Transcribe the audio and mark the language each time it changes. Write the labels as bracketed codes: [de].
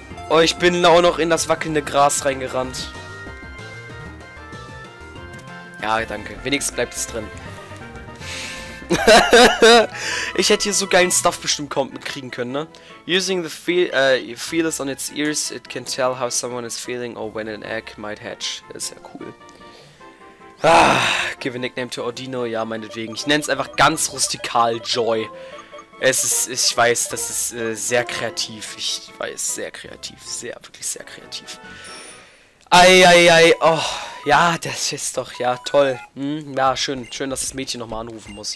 [de] Oh, ich bin auch noch in das wackelnde Gras reingerannt. Ja, danke. Wenigstens bleibt es drin. Ich hätte hier so geilen Stuff bestimmt kriegen können, ne? [en] Using the feelers on its ears, it can tell how someone is feeling or when an egg might hatch. [de] Das ist ja cool. [en] Ah, give a nickname to Audino. [de] Ja, meinetwegen. Ich nenne es einfach ganz rustikal Joy. Es ist, ich weiß, das ist sehr kreativ. Ich weiß, sehr kreativ. Sehr, wirklich sehr kreativ. Ei, oh, ja, das ist doch, ja, toll. Hm? Ja, schön, schön, dass das Mädchen nochmal anrufen muss.